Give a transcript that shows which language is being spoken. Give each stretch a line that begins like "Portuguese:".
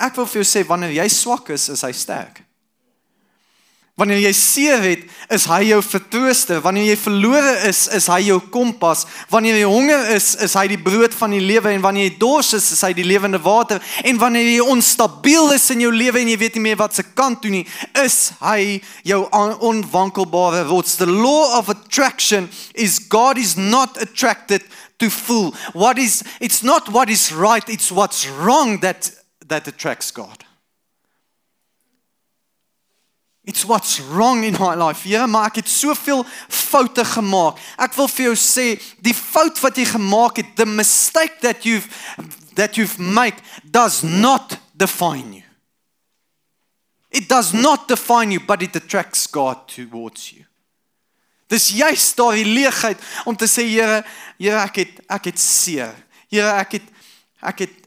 Afrikaans: Ek wil vir jou sê, wanneer jy swak is, is hy sterk. Wanneer jy seer het, is hy jou vertrooster. Wanneer jy verlore is, is hy jou kompas. Wanneer jy honger is, is hy die brood van die lewe. En wanneer jy dors is, is hy die lewende water. En wanneer jy onstabiel is in jou lewe en jy weet nie meer wat se kant toe nie, is hy jou onwankelbare rots.
English: The law of attraction is God is not attracted to fool. It's not what is right, it's what's wrong that attracts God. It's what's wrong in my life.
Afrikaans: Ja, maar ek het soveel foute gemaak. Ek wil vir jou sê, die fout wat jy gemaak het,
English: the mistake that you've made, does not define you. It does not define you, but it attracts God towards you.
Afrikaans: Dis juist daardie leegheid om te sê, Here, ek het seer. Here, ek het